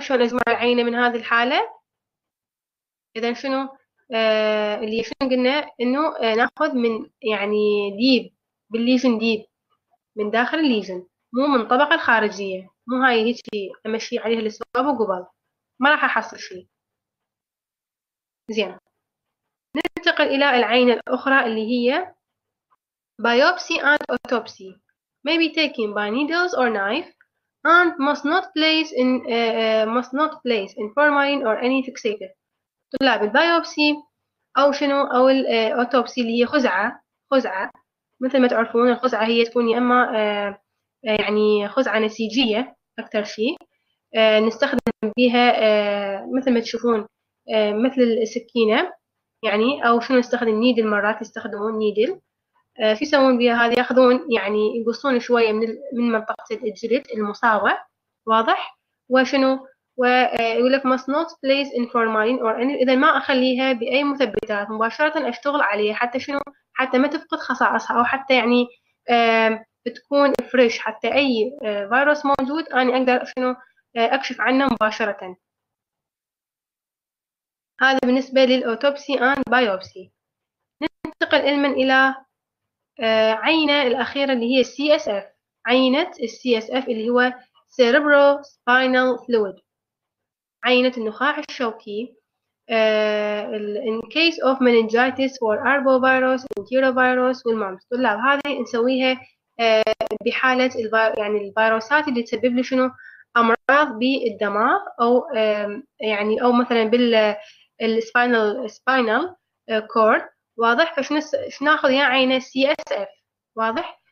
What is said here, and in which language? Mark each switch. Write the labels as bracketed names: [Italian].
[Arabic] شلون اجمع العينة من هذه الحالة؟ اذا شنو اللي شنو قلنا؟ انه ناخذ من يعني ديب بالليجن، ديب من داخل الليجن، مو من الطبقة الخارجية، مو هاي هيك امشي عليها السواب وقبل، ما راح احصل شيء. زين، ننتقل الى العينة الاخرى اللي هي [English] Biopsy and autopsy, may be taken by needles or knife and must not place in must not place in formalin or any fixative. [Arabic] طلاب، البايوبسي او شنو؟ او الاوتوبسي اللي هي خزعة مثل ما تعرفون، الخزعة هي تكون يا إما يعني خزعة نسيجية أكثر شيء، نستخدم بها مثل ما تشوفون مثل السكينة يعني، أو شنو نستخدم نيدل، مرات يستخدمون نيدل. شو يسوون بها؟ هذه ياخذون يعني يقصون شوية من منطقة الجلد المصابة، واضح؟ وشنو؟ ويقول لك [English] must not place in formalin or any، [Arabic] إذا ما أخليها بأي مثبتات مباشرة أشتغل عليها حتى شنو؟ حتى ما تفقد خصائصها، او حتى يعني بتكون فريش، حتى اي فيروس موجود اني اقدر شنو اكشف عنه مباشره. هذا بالنسبه للاوتوبسي اند بايوبسي. ننتقل علما الى عينه الاخيره اللي هي السي اس اف، عينه السي اس اف اللي هو سيريبرو سباينال فلويد، عينه النخاع الشوكي. [English] In case of meningitis or arbovirus, enterovirus, والمامس. [Arabic] طلاب، هذه نسويها بحالة يعني الفيروسات اللي تسبب لي شنو؟ أمراض بالدماغ أو يعني أو مثلا السباينال سباينال كورد واضح. فشو ناخذ يا عينه؟ سي اس اف واضح.